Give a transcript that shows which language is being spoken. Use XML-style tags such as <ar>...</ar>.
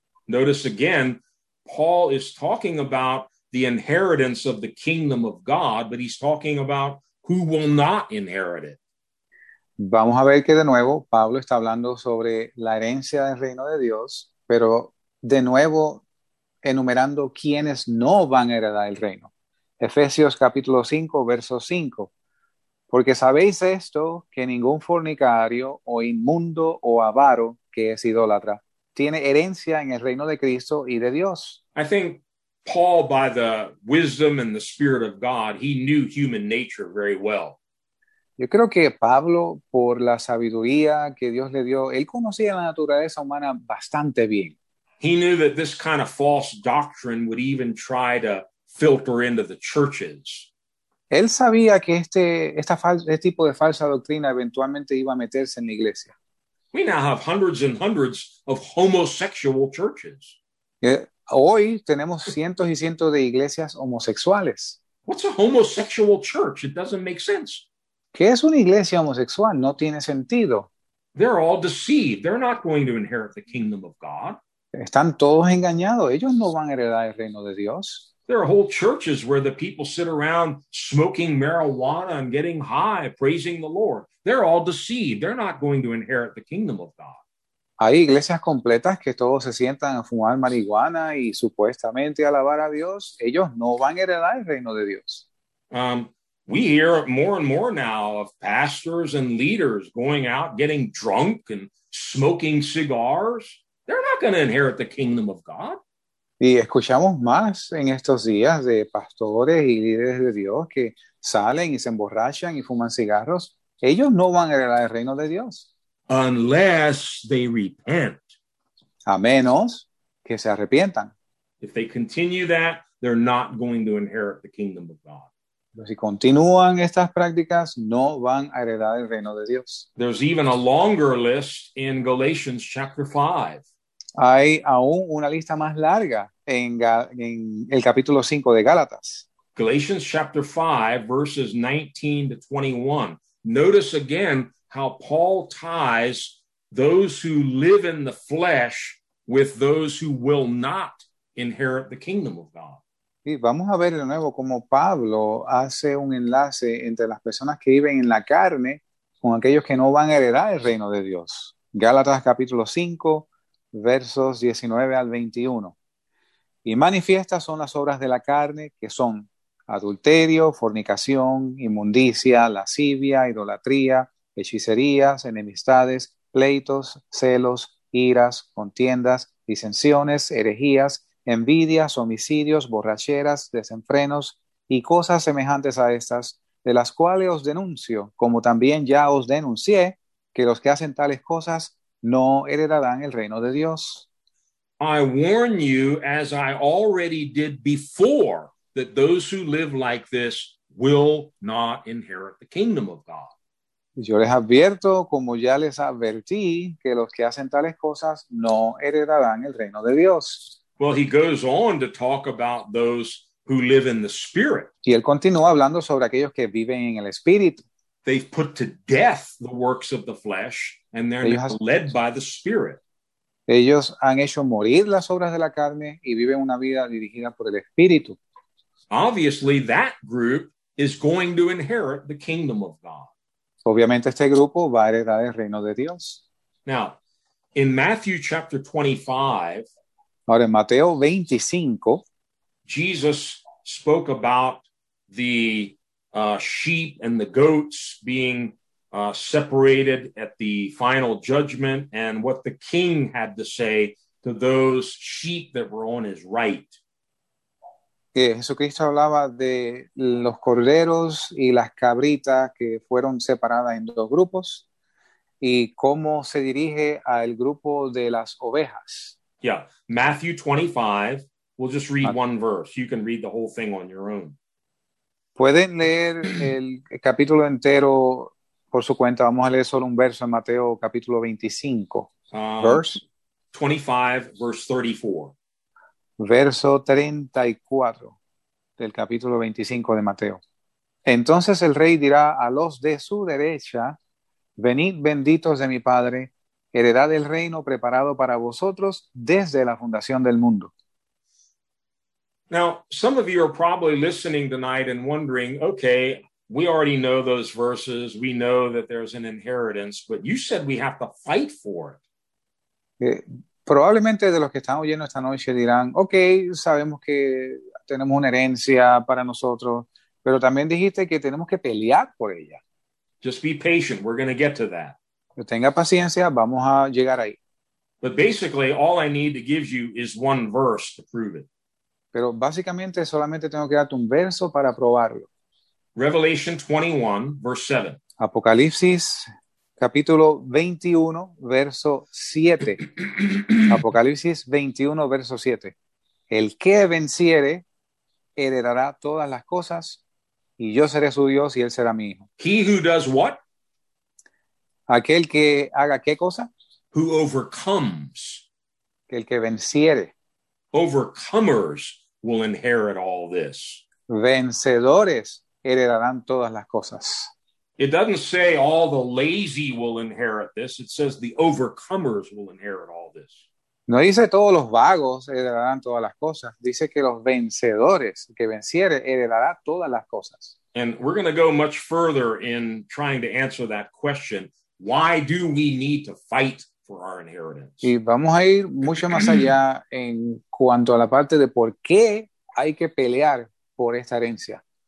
<en>Notice again, Paul is talking about the inheritance of the kingdom of God, but he's talking about who will not inherit it.</en> <es>Vamos a ver que de nuevo Pablo está hablando sobre la herencia del reino de Dios, pero de nuevo enumerando quienes no van a heredar el reino. Efesios capítulo 5, verso 5. Porque sabéis esto, que ningún fornicario o inmundo o avaro, que es idólatra, tiene herencia en el reino de Cristo y de Dios.</es> <en>I think Paul, by the wisdom and the spirit of God, he knew human nature very well.</en> <es>Yo creo que Pablo, por la sabiduría que Dios le dio, él conocía la naturaleza humana bastante bien.</es> <en>He knew that this kind of false doctrine would even try to filter into the churches.</en> <es>Él sabía que este tipo de falsa doctrina eventualmente iba a meterse en la iglesia.</es> <en>We now have hundreds and hundreds of homosexual churches.</en> <es>Hoy tenemos cientos y cientos de iglesias homosexuales.</es> <en>What's a homosexual church? It doesn't make sense.</en> <es>¿Qué es una iglesia homosexual? No tiene sentido.</es> <en>They're all deceived. They're not going to inherit the kingdom of God.</en> <es>Están todos engañados. Ellos no van a heredar el reino de Dios.</es> <en>There are whole churches where the people sit around smoking marijuana and getting high, praising the Lord. They're all deceived. They're not going to inherit the kingdom of God.</en> <es>Hay iglesias completas que todos se sientan a fumar marihuana y supuestamente alabar a Dios. Ellos no van a heredar el reino de Dios.</es> <en>We hear more and more now of pastors and leaders going out, getting drunk and smoking cigars. They're not going to inherit the kingdom of God.</en> <es>Y escuchamos más en estos días de pastores y líderes de Dios que salen y se emborrachan y fuman cigarros. Ellos no van a heredar el reino de Dios.</es> <en>Unless they repent.</en> <es>A menos que se arrepientan.</es> <en>If they continue that, they're not going to inherit the kingdom of God.</en> <es>Pero si continúan estas prácticas, no van a heredar el reino de Dios.</es> <en>There's even a longer list in Galatians chapter 5.</en> <es>Hay aún una lista más larga en el capítulo 5 de Gálatas.</es> <en>Galatians chapter 5, verses 19 to 21. Notice again how Paul ties those who live in the flesh with those who will not inherit the kingdom of God.</en> <es>Sí, vamos a ver de nuevo cómo Pablo hace un enlace entre las personas que viven en la carne con aquellos que no van a heredar el reino de Dios. Gálatas capítulo 5. Versos 19 al 21. Y manifiestas son las obras de la carne, que son adulterio, fornicación, inmundicia, lascivia, idolatría, hechicerías, enemistades, pleitos, celos, iras, contiendas, disensiones, herejías, envidias, homicidios, borracheras, desenfrenos y cosas semejantes a estas, de las cuales os denuncio, como también ya os denuncié, que los que hacen tales cosas no heredarán el reino de Dios.</es> <en>I warn you, as I already did before, that those who live like this will not inherit the kingdom of God.</en> <es>Yo les advierto, como ya les advertí, que los que hacen tales cosas no heredarán el reino de Dios.</es> <en>Well, he goes on to talk about those who live in the Spirit.</en> <es>Y él continúa hablando sobre aquellos que viven en el Espíritu.</es> <en>They've put to death the works of the flesh, and they're led by the Spirit.</en> <es>Ellos han hecho morir las obras de la carne y viven una vida dirigida por el Espíritu.</es> <en>Obviously, that group is going to inherit the kingdom of God.</en> <es>Obviamente, este grupo va a heredar el reino de Dios.</es> <en>Now, in Matthew chapter 25,</en> <es>ahora en Mateo 25,</es> <en>Jesus spoke about the sheep and the goats being separated at the final judgment, and what the king had to say to those sheep that were on his right.</en> <es>Que Jesucristo hablaba de los corderos y las cabritas que fueron separadas en dos grupos, y cómo se dirige al grupo de las ovejas.</es> <en>Yeah, Matthew 25. We'll just read one verse. You can read the whole thing on your own.</en> <es>Pueden leer el capítulo entero por su cuenta. Vamos a leer solo un verso en Mateo capítulo 25.</es> <en>Verse 25, verse 34.</en> <es>Verso 34 del capítulo 25 de Mateo. Entonces el rey dirá a los de su derecha, venid benditos de mi Padre, heredad el reino preparado para vosotros desde la fundación del mundo.</es> <en>Now, some of you are probably listening tonight and wondering, okay, we already know those verses. We know that there's an inheritance, but you said we have to fight for it.</en> <es>Probablemente de los que están oyendo esta noche dirán, okay, sabemos que tenemos una herencia para nosotros, pero también dijiste que tenemos que pelear por ella.</es> <en>Just be patient. We're going to get to that.</en> <es>Tenga paciencia, vamos a llegar ahí.</es> <en>But basically, all I need to give you is one verse to prove it.</en> <es>Pero básicamente solamente tengo que darte un verso para probarlo.</es> <en>Revelation 21, verse 7.</en> <es>Apocalipsis, capítulo 21, verso 7. Apocalipsis 21, verso 7. El que venciere heredará todas las cosas, y yo seré su Dios y él será mi hijo.</es> <en>He who does what?</en> <es>Aquel que haga qué cosa?</es> <en>Who overcomes.</en> <es>El que venciere.</es> <en>Overcomers will inherit all this.</en> <es>Vencedores heredarán todas las cosas.</es> <en>It doesn't say all the lazy will inherit this. It says the overcomers will inherit all this.</en> <es>No dice todos los vagos heredarán todas las cosas. Dice que los vencedores, que venciere, heredará todas las cosas.</es> <en>And we're going to go much further in trying to answer that question. Why do we need to fight for our inheritance?</en> <es>Y vamos a ir mucho más allá en cuanto a la parte de por qué hay que pelear por esta herencia.</es>